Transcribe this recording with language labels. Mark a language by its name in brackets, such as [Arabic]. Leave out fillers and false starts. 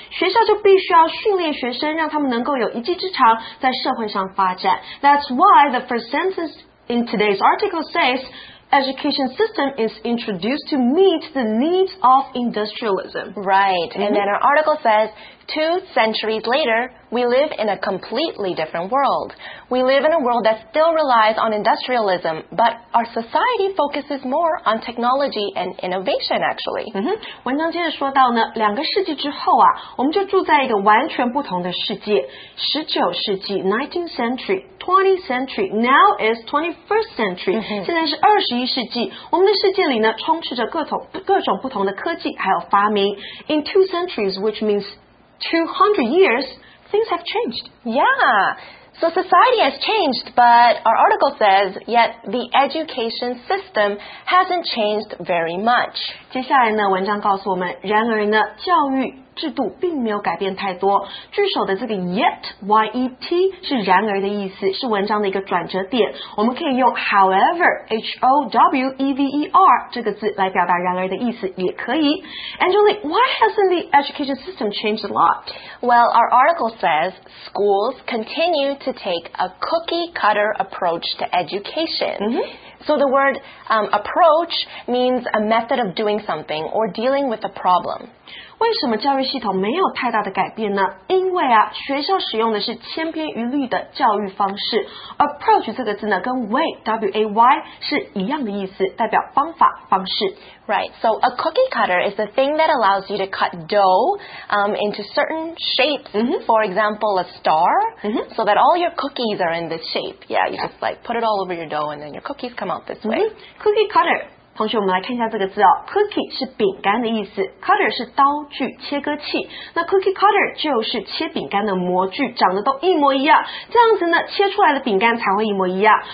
[Chinese] 学校就必须要训练学生，让他们能够有一技之长，在社会上发展。 [English] That's why the first sentence in today's article says. Education system is introduced to meet the needs of industrialism. Right. And then our article says, 2 centuries later, we live in a completely different world. We live in a world that still relies on industrialism, but our society focuses more on technology and innovation, actually. [Chinese] 文章接着说到呢，两个世纪之后啊，我们就住在一个完全不同的世界。 [English] 19世纪 ,19th century,20th century, now is 21st century,、mm-hmm. [Chinese] 现在是21世纪。我们的世界里呢，充斥着各种不同的科技还有发明。 [English] In 2 centuries, which means 200 years, things have changed. Yeah, so society has changed, but our article says, yet the education system hasn't changed very much. [Chinese] 接下来呢，文章告诉我们，然而呢，教育制度并没有改变太多。句首的这个 yet YET 是然而的意思，是文章的一个转折点。我们可以用 however HOWEVER 这个字来表达然而的意思也可以。 [English] Angelique, why hasn't the education system changed a lot? Well, our article says schools continue to take a cookie cutter approach to education、 mm-hmm. So the word、approach means a method of doing something or dealing with a problem. [Chinese] 为什么教育系统没有太大的改变呢？因为啊，学校使用的是千篇一律的教育方式。 Approach 这个字呢，跟 way W-A-Y 是一样的意思，代表方法、方式。 [English] Right, so a cookie cutter is the thing that allows you to cut dough、into certain shapes,、 mm-hmm. for example, a star,、 mm-hmm. so that all your cookies are in this shape. Yeah, you just like put it all over your dough and then your cookies come out this way.、 Mm-hmm. Cookie cutter. [Chinese] 同学，我们来看一下这个字哦。 Cookie 是饼干的意思 ，cutter 是刀具、切割器。那 cookie cutter 就是切饼干的模具，长得都一模一样。这样子呢，切出来的饼干才会一模一样。